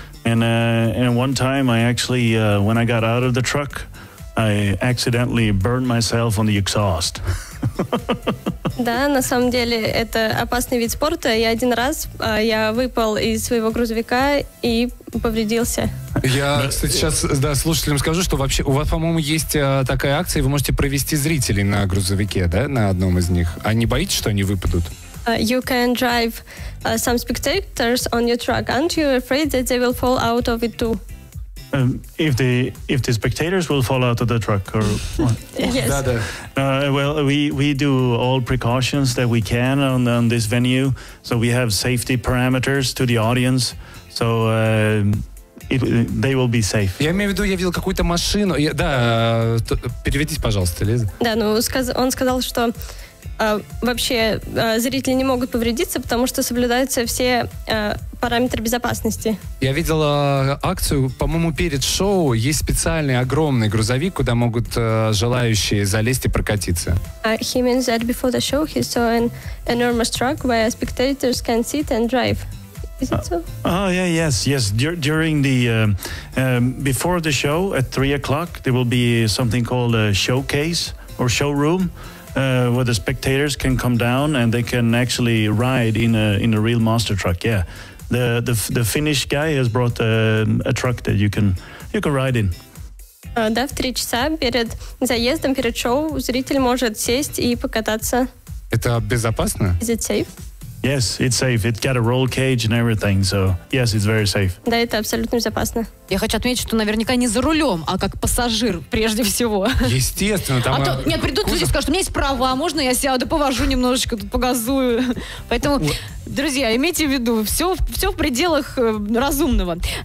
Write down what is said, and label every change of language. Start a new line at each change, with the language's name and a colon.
English: And one time I actually, when I got out of the truck, I accidentally burned myself on the exhaust.
Russian: Да, на самом деле это опасный вид спорта. Я один раз я выпал из своего грузовика и повредился. Я сейчас слушателям скажу, что вообще у вас, по-моему, есть такая акция, вы можете провести зрителей на грузовике, да, на одном из них. А не боитесь, что они выпадут?
English: You can drive some spectators on your truck. Aren't you afraid that they will fall out of it too? If the spectators will fall out of the truck or yes. Well, we do all precautions that we can on this venue, so we have safety parameters to the audience, so they will be safe.
Russian: Я имею в виду, я видел какую-то машину. Да, переведись, пожалуйста, Лиза. Да, ну он сказал, что вообще зрители не могут повредиться, потому что соблюдаются все параметры безопасности. Я видел акцию, по-моему, перед шоу. Есть специальный огромный грузовик, куда могут желающие залезть и прокатиться.
English: He means that before the show he saw an enormous truck where spectators can sit and drive. Yes. During the before the show at 3:00 there will be something called a showcase or showroom where the spectators can come down and they can actually ride in a real monster truck. Yeah, the Finnish guy has brought a truck that you can ride in.
Russian: Да, в 3:00 перед заездом, перед шоу, зритель может сесть и покататься. Это безопасно?
English: Is it safe? Yes, it's safe. It's got a roll cage and everything, so yes, it's very safe.
Russian: Да, это абсолютно безопасно. Я хочу отметить, что наверняка не за рулем, а как пассажир, прежде всего. Естественно. Там Нет, придут люди и скажут, у меня есть права, а можно я сяду, повожу немножечко, тут погазую. Поэтому, друзья, имейте в виду, все в пределах разумного.